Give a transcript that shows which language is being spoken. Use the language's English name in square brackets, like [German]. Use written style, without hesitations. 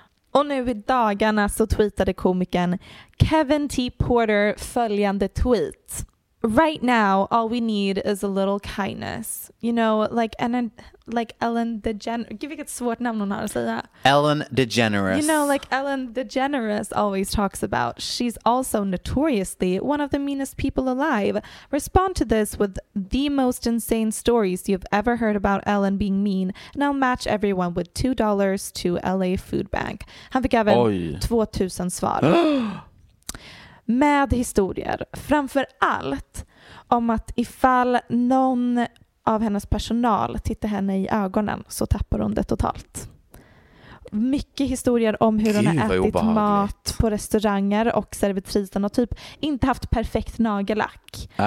[Swedish] Och nu i dagarna så tweetade komikern Kevin T. [English] Porter [Swedish] följande tweet. [English] Right now, all we need is a little kindness. You know, like Ellen DeGeneres. [Swedish] Gud, vilket svårt namn hon har att säga. Ellen DeGeneres. [English] You know, like Ellen DeGeneres always talks about. She's also notoriously one of the meanest people alive. Respond to this with the most insane stories you've ever heard about Ellen being mean. And I'll match everyone with $2 to LA Food Bank. [Swedish] Han fick även 2000 svar. Med historier. Framför allt om att ifall någon av hennes personal tittar henne i ögonen så tappar hon det totalt. Mycket historier om hur hon har ätit mat på restauranger och servitrisen och typ inte haft perfekt nagellack.